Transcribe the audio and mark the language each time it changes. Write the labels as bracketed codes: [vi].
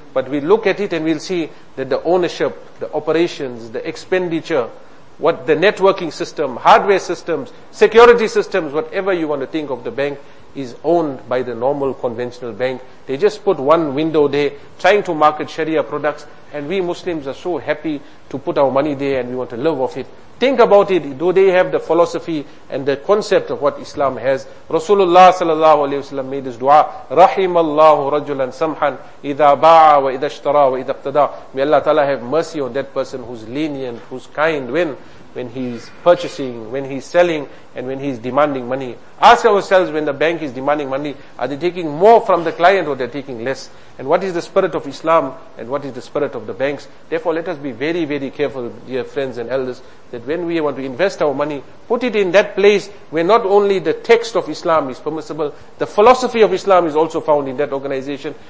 [en] But we look at it and we'll see that the ownership, the operations, the expenditure, what the networking system, hardware systems, security systems, whatever you want to think of the bank, is owned by the normal conventional bank. They just put one window there, trying to market Sharia products, and we Muslims are so happy to put our money there and we want to live off it. Think about it, do they have the philosophy and the concept of what Islam has? Rasulullah sallallahu alayhi wa sallam made this dua, [ar] رحم الله رجلا سمحان إذا باع وإذا اشترى وإذا ابتدى. [en] May Allah Ta'ala have mercy on that person who's lenient, who's kind, when he's purchasing, when he's selling, and when he's demanding money. Ask ourselves, when the bank is demanding money, are they taking more from the client or they're taking less? And what is the spirit of Islam and what is the spirit of the banks? Therefore, let us be very, very careful, dear friends and elders, that when we want to invest our money, put it in that place where not only the text of Islam is permissible, the philosophy of Islam is also found in that organization.